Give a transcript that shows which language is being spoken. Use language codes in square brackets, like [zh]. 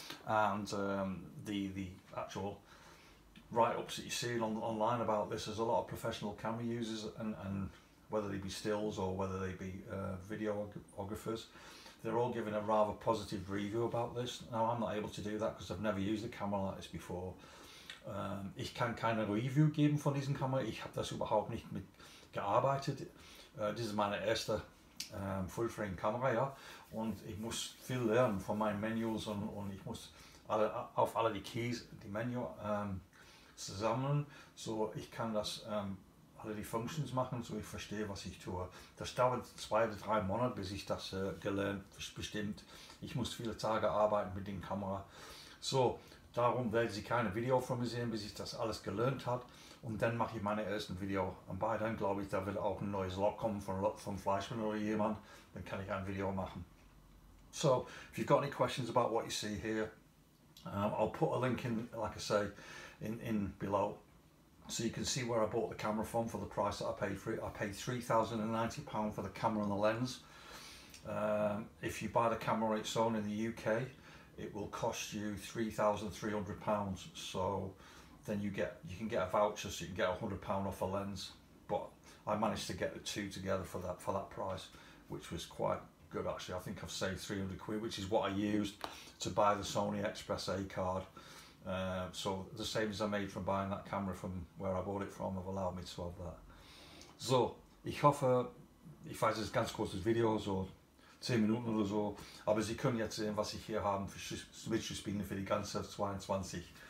[en] And the actual write-ups that you've seen online about this, there's a lot of professional camera users, and whether they be stills or whether they be videographers, they're all giving a rather positive review about this. Now, I'm not able to do that because I've never used a camera like this before. [de] Ich kann keine Review geben von diesem Kamera. Ich habe das überhaupt nicht mit gearbeitet. Das ist meine erste Full-Frame-Kamera, ja. Und ich muss viel lernen von meinen Menüs, und ich muss auf alle die Keys, die Menü zusammen, so ich kann das alle die Functions machen, so ich verstehe, was ich tue. Das dauert 2 oder 3 Monate, bis ich das gelernt bestimmt. Ich muss viele Tage arbeiten mit den Kamera. So. Darum will sie keine Video von mir sehen, bis ich das alles gelernt habe. Und dann mache ich meine ersten Video. Und bei dann glaube ich, da wird auch ein neues Lock kommen von Fleischmann oder jemand. Dann kann ich ein Video machen. [en] So, if you've got any questions about what you see here, I'll put a link in, like I say, in below. So you can see where I bought the camera from for the price that I paid for it. I paid £3,090 for the camera and the lens. If you buy the camera on its own in the UK, it will cost you £3,300. So then you can get a voucher, so you can get £100 off a lens. But I managed to get the two together for that price, which was quite good actually. I think I've saved £300, which is what I used to buy the Sony Express A card. So the savings I made from buying that camera from where I bought it from have allowed me to have that. [de] So ich hoffe, ich weiß es ganz kurzes Video so 10 Minuten oder so, aber Sie können jetzt sehen, was ich hier habe für Switch-Spiele für die ganze 2022.